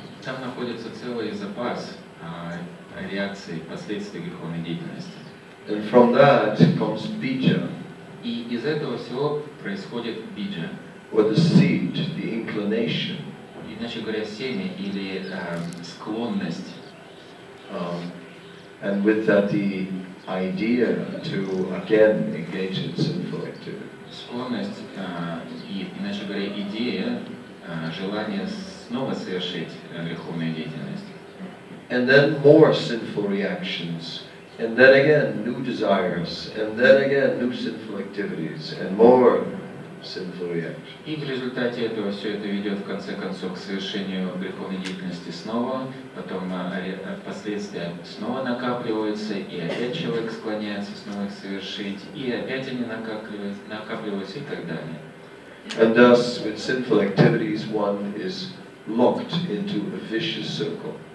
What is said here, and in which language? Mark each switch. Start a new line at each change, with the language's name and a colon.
Russian: Там находится целый запас реакций, последствий греховной деятельности.
English: And from that comes bija.
Russian: И из этого всего происходит биджа.
English: Or the seed, the inclination.
Russian: Иначе говоря, семя или склонность.
English: And with that the idea to again engage in sinful activity.
Russian: Склонность и, иначе говоря, идея, желание снова совершить греховную деятельность.
English: And then more sinful reactions. And then again, new desires. And then again, new sinful activities. And more sinful reactions.
Russian: И в результате этого все это ведет в конце концов к совершению греховной деятельности снова. Потом последствия снова накапливаются, и опять человек склоняется снова их совершить, и опять они накапливаются и так далее.
English: And thus, with sinful activities, one is locked into a vicious circle.